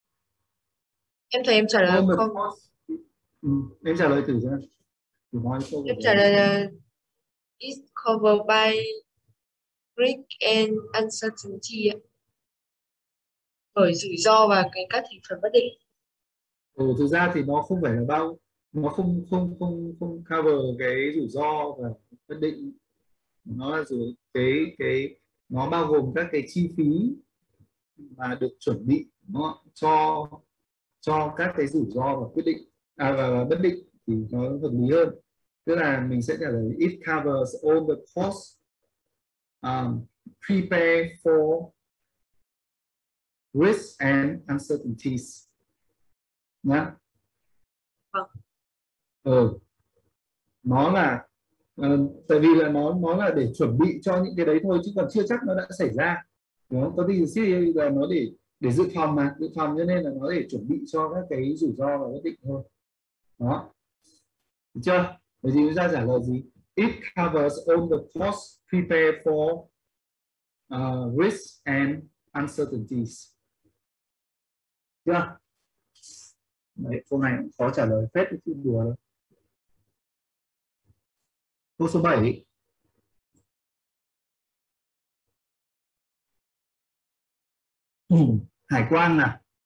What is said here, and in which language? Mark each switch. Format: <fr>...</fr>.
<en>it covers by only.</en> <vi>Em thấy em trả lời không? Em trả lời thử xem. Em trả lời là</vi> <en>it covered by risk and uncertainty.</en> <vi>Bởi rủi ro và cái các thành phần bất định. Ừ, thực ra thì nó không phải là bao, nó không cover cái rủi ro và bất định, nó là cái nó bao gồm các cái chi phí mà được chuẩn bị nó cho các cái rủi ro và quyết định và bất định thì nó hợp lý hơn, tức là mình sẽ trả lời</vi> <en>it covers all the costs prepare for risks and uncertainties.</en> <vi>Nhá. Nó là tại vì là nó là để chuẩn bị cho những cái đấy thôi, chứ còn chưa chắc nó đã xảy ra, đúng không? Có tính chất là nó để dự phòng, mà dự phòng cho nên là nó để chuẩn bị cho các cái rủi ro và quyết định thôi. Đó, được chưa? Vậy thì chúng ta trả lời gì?</vi> <en>It covers all the costs prepared for risks and uncertainties.</en> <vi>Chưa? Đấy, câu này cũng khó trả lời phết, chứ đùa đâu. Câu số 7. Hải quan nào.</vi>